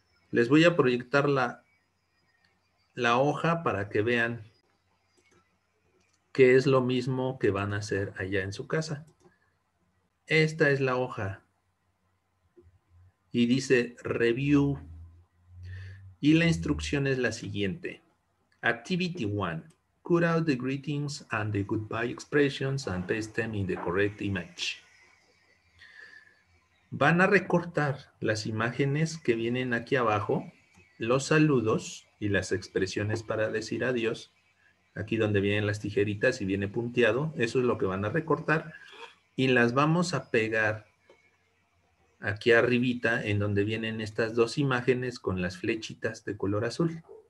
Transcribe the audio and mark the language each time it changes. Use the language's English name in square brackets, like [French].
[Spanish] Les voy a proyectar la hoja para que vean qué es lo mismo que van a hacer allá en su casa. Esta es la hoja y dice review y la instrucción es la siguiente. [English] Activity 1. Cut out the greetings and the goodbye expressions and paste them in the correct image. [Spanish] Van a recortar las imágenes que vienen aquí abajo, los saludos y las expresiones para decir adiós. Aquí donde vienen las tijeritas y viene punteado, eso es lo que van a recortar. Y las vamos a pegar aquí arribita en donde vienen estas dos imágenes con las flechitas de color azul.